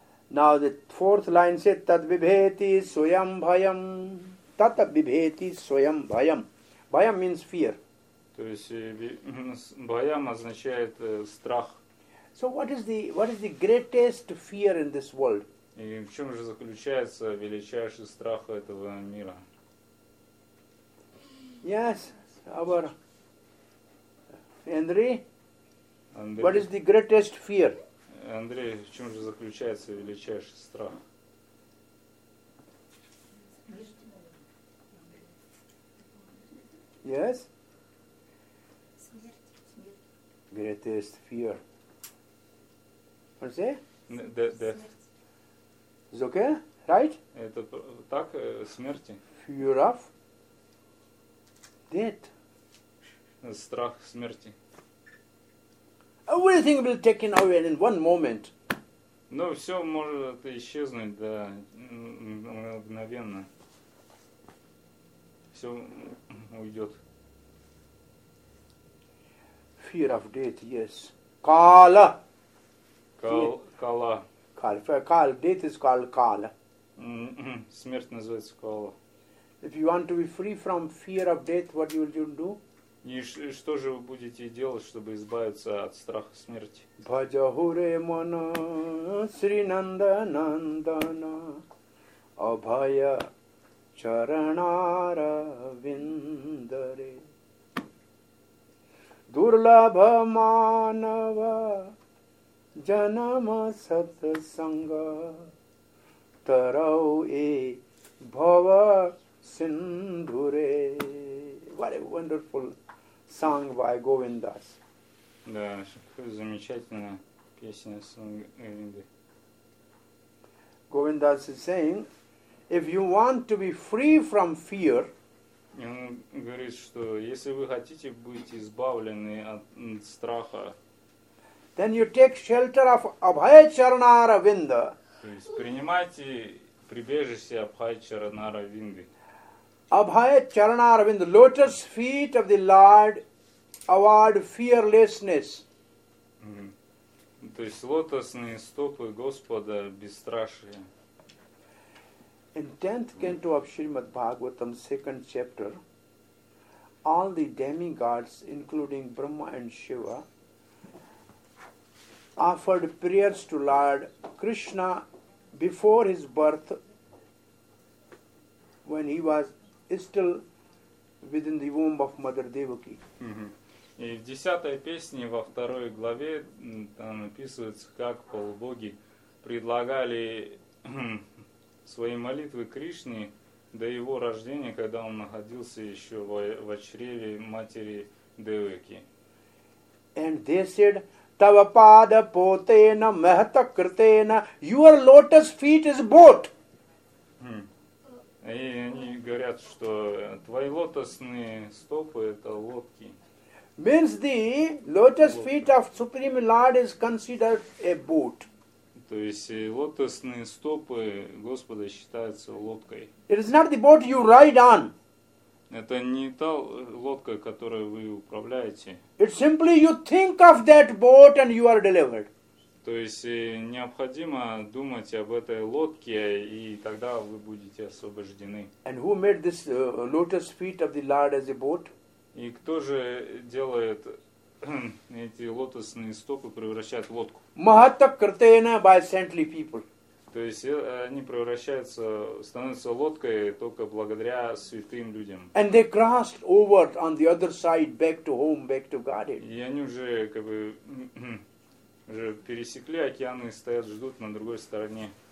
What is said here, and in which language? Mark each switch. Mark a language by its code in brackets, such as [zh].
[en] Now the fourth line says, [sa] tat bibheti svayam bhayam. Tat bibheti svayam bhayam. [en] Bhayam means fear. [ru] То есть bhayam означает страх. [en] So what is the greatest fear in this world? [ru] И в чем же заключается величайший страх этого мира? [en] Yes, our Henry. Андрей, what is the greatest fear? [ru] Андрей, в чем же заключается величайший страх? [en] Yes? [ru] Смерть. [en] Greatest fear. What is it? Death. Is okay, right? [ru] Это так, смерти. [en] Fear of death. [ru] Страх смерти. [en] Everything will be taken away in one moment. [ru] Но все может исчезнуть, да, мгновенно. Все уйдет. [en] Fear of death, yes. Kala. Kala. Death is called Kala. [ru] Смерть называется Kala. [en] If you want to be free from fear of death, what will you do? [ru] И что же вы будете делать, чтобы избавиться от страха смерти? [sa] Бхаджахуре мана Сринанда Нандана Абхая Чаранара Виндаре Дурлабха Манава Janama Satsanga Tarau E Bhava Sindhure. [en] What a wonderful song by Govindas. [ru] Да, какая замечательная песня Говинды. [en] Govindas is saying, if you want to be free from fear, [ru] он говорит, что если вы хотите быть избавлены от страха, [en] then you take shelter of Abhaya Charanaravinda. [ru] То есть принимайте прибежище Абхая Чаранаравинды. [sa] Абхая Чаранаравинда, [en] lotus feet of the Lord award fearlessness. [ru] То есть лотосные стопы Господа бесстрашие. [en] In 10th canto of Shrimad Bhagavatam, 2nd chapter, all the demigods, including Brahma and Shiva, offered prayers to Lord Krishna before his birth, when he was still within the womb of Mother Devaki. [ru] И в 10-й песне, во 2-й главе, там описывается, как полубоги предлагали свои молитвы Кришне до его рождения, когда он находился еще в чреве матери Девеки. [en] And they said, [sa] Tava pada potena mahata kritena, [en] your lotus feet is boat. [ru] И они говорят, что твои лотосные стопы – это лодки. [en] Means the lotus feet of Supreme Lord is considered a boat. [ru] То есть лотосные стопы Господа считаются лодкой. [en] It is not the boat you ride on. [ru] Это не та лодка, которой вы управляете. [en] It's simply you think of that boat and you are delivered. [ru] То есть необходимо думать об этой лодке, и тогда вы будете освобождены. [en] And who made this lotus feet of the Lord as a boat? [ru] И кто же делает эти лотосные стопы, превращает в лодку? [en] Mahatakritena by saintly people. [ru] То есть они превращаются, становятся лодкой только благодаря святым людям. [en] And they crossed over on the other side back to home, back to Godhead. [ru] И они уже как бы уже пересекли океаны и стоят, ждут на другой стороне.